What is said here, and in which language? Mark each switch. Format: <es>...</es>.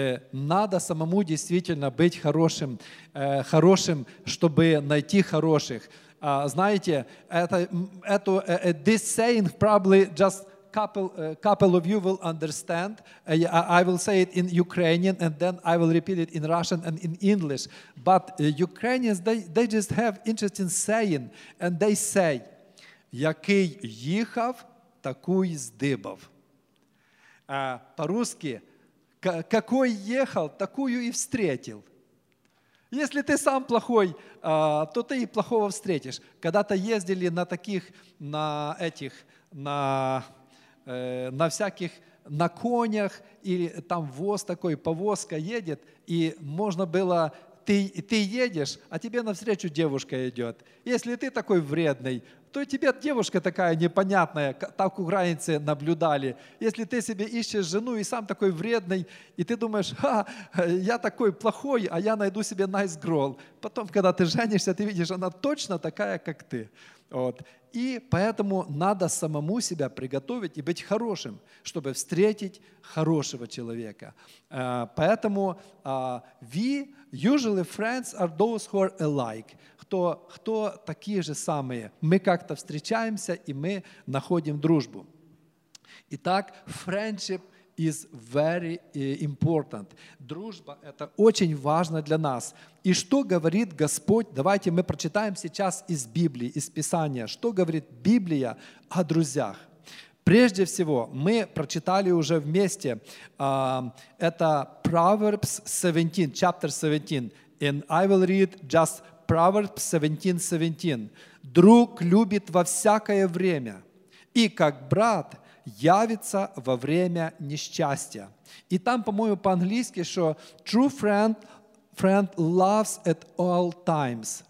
<ru>Надо самому действительно быть хорошим, хорошим, чтобы найти хороших. Знаете,</ru> <en>this saying probably just couple of you will understand. I will say it in Ukrainian and then I will repeat it in Russian and in English. But Ukrainians, they just have interesting saying and they say,</en> <uk>який їхав, такий здибав.</uk> <ru>По-русски, какой ехал, такую и встретил. Если ты сам плохой, то ты и плохого встретишь. Когда-то ездили на таких, на всяких, на конях, или там воз такой, повозка едет, и можно было, ты едешь, а тебе навстречу девушка идет. Если ты такой вредный, то тебе девушка такая непонятная, так украинцы наблюдали. Если ты себе ищешь жену и сам такой вредный, и ты думаешь, ха, я такой плохой, а я найду себе</ru> <en>nice girl.</en> <ru>Потом, когда ты женишься, ты видишь, она точно такая, как ты. Вот. И поэтому надо самому себя приготовить и быть хорошим, чтобы встретить хорошего человека. Поэтому</ru> <en>we usually friends are those who are alike.</en> <ru>Кто такие же самые. Мы как-то встречаемся, и мы находим дружбу. Итак,</ru> <en>friendship is very important.</en> <ru>Дружба – это очень важно для нас. И что говорит Господь? Давайте мы прочитаем сейчас из Библии, из Писания. Что говорит Библия о друзьях? Прежде всего, мы прочитали уже вместе. Это</ru> <en>Proverbs 17, chapter 17. And I will read just Proverbs 17:17.</en> <ru>Друг любит во всякое время, и как брат явится во время несчастья. И там, по-моему, по-английски, что</ru> <en>true friend loves at all times.</en>